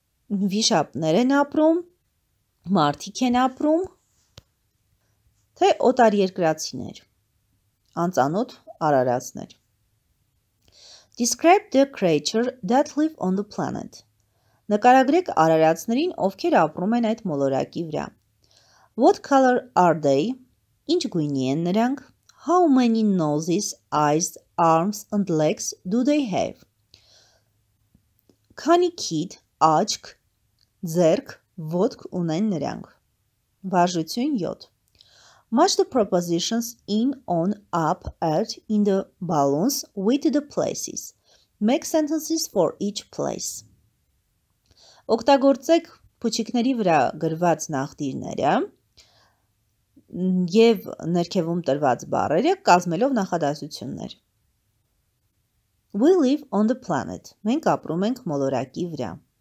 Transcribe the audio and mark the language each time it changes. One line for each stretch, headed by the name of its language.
Armenian: Վիշապներ են ապրում, մարդիկ են ապրում, թե օտարերկրացիներ, անծանոթ արարածներ.
English: Describe the creature that live on the planet.
Armenian: Նկարագրեք արարածներին, ովքեր ապրում են այդ մոլորակի վրա.
English: What color are they?
Armenian: Ինչ գույնի են նրանք?
English: How many noses, eyes, arms and legs do they have?
Armenian: Քանի քիթ, աչք, ձեռք, ոտք ունեն նրանք? Բաժություն 7.
English: Match the prepositions in, on, up, at, in the balloons with the places. Make sentences for each place.
Armenian: Օգտագործեք փուչիկների վրա գրված նախտիրները և ներքևում տրված բառերը կազմելով նախադասություններ.
English: We live on the planet.
Armenian: Մենք ապրում ենք մոլորակի վրա.